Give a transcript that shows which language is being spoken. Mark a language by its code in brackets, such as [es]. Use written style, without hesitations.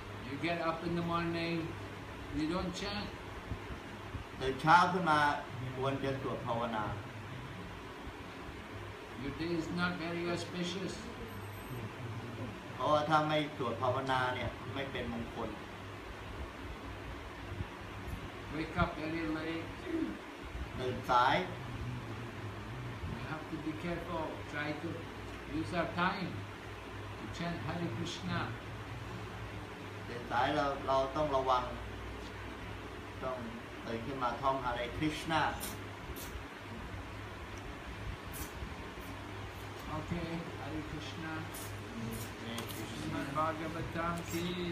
[en] You get up in the morning, you don't chant. [th] ตื่นเช้าขึ้นมาควรจะสวดภาวนา [en] Your day is not very auspicious [th] เพราะว่าถ้าไม่สวดภาวนาเนี่ยไม่เป็นมงคล [en] Wake up very late [th] ตื่นสาย [en] You have to be careful try to use our time to chant Hare Krishna [th] ตื่นสายเราต้องระวังต้องตื่นขึ้นมาท่องฮาเรคริชนา โอเคฮาเรคริชนาคริชนาบาเกบตัมคี